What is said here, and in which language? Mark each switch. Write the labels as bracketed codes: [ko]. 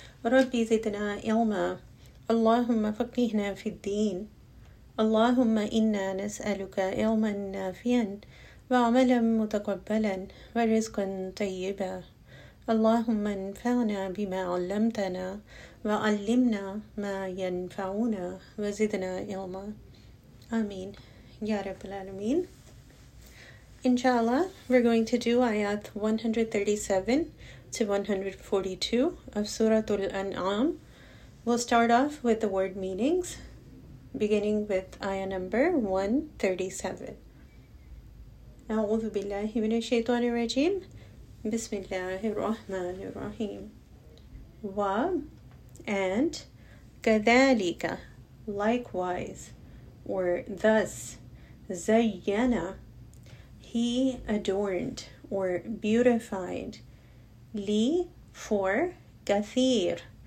[ar] رب زدنا علما، اللهم فقهنا في الدين، اللهم إنا نسألك علما نافعا وعملا متقبلا ورزقا طيبا. اللهم انفعنا بما علمتنا وعلمنا ما ينفعنا وزدنا علما. آمين يا رب العالمين. [en] Inshallah, we're going to do ayat 137 to 142 of Surah Al-An'am. We'll start off with the word meanings, beginning with ayah number 137. [ar] أعوذ بالله من الشيطان الرجيم. بسم الله الرحمن الرحيم. [en] و and كذلك likewise or thus. زينا he adorned or beautified. [ar] لي for كثير.